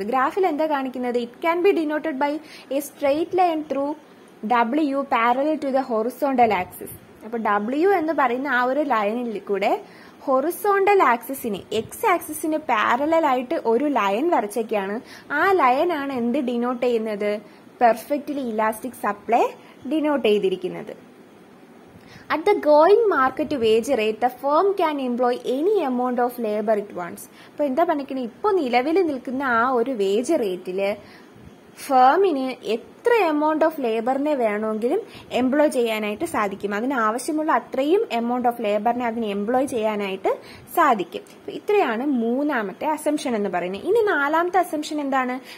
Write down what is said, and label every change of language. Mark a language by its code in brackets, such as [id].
[ml] ഗ്രാഫിൽ എന്താ കാണിക്കുന്നത്? [en] It can be denoted by a straight line through W parallel to the horizontal axis. [ml] അപ്പൊ W എന്ന് പറയുന്ന ആ ഒരു ലൈനിൽ കൂടെ ഹൊറിസോണ്ടൽ ആക്സിന് എക്സ് ആക്സിന് പാരലൽ ആയിട്ട് ഒരു ലൈൻ വരച്ചൊക്കെയാണ്. ആ ലൈനാണ് എന്ത് ഡിനോട്ട് ചെയ്യുന്നത്? പെർഫെക്റ്റ്ലി ഇലാസ്റ്റിക് സപ്ലൈ ഡിനോട്ട് ചെയ്തിരിക്കുന്നത്. [en] At the going market wage rate, the firm can employ any amount of labor it wants. [ml] അപ്പൊ എന്താ പറഞ്ഞിരിക്കുന്നത്? ഇപ്പൊ നിലവിൽ നിൽക്കുന്ന ആ ഒരു വേജ് റേറ്റില് ഫേമിന് എത്ര എമൗണ്ട് ഓഫ് ലേബറിനെ വേണമെങ്കിലും എംപ്ലോയ് ചെയ്യാനായിട്ട് സാധിക്കും. അതിന് ആവശ്യമുള്ള അത്രയും എമൗണ്ട് ഓഫ് ലേബറിനെ അതിന് എംപ്ലോയ് ചെയ്യാനായിട്ട് സാധിക്കും. ഇത്രയാണ് മൂന്നാമത്തെ അസംഷൻ എന്ന് പറയുന്നത്. ഇനി നാലാമത്തെ അസംഷൻ എന്താണ്?